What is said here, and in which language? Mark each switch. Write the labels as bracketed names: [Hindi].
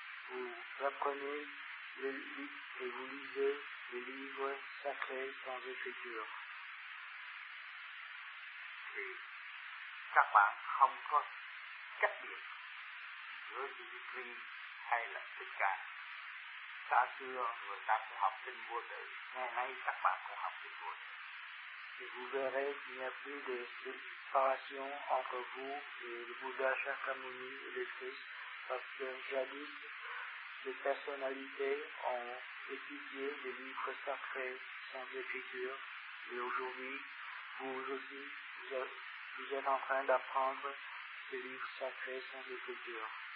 [French] Vous apprenez et vous lisez les livres sacrés sans écriture. [Vietnamese] Các bạn không có cách biệt giữa Jesus hay là Thích Ca. Xa xưa người ta cũng học kinh vô tử, ngày nay các bạn cũng học kinh vô tử. [French] Et vous verrez qu'il n'y a plus de séparation entre vous et le Bouddha Shakyamuni et le Christ, parce que jadis, les personnalités ont étudié des livres sacrés sans écriture, et aujourd'hui, vous aussi, vous êtes en train d'apprendre des livres sacrés sans écriture.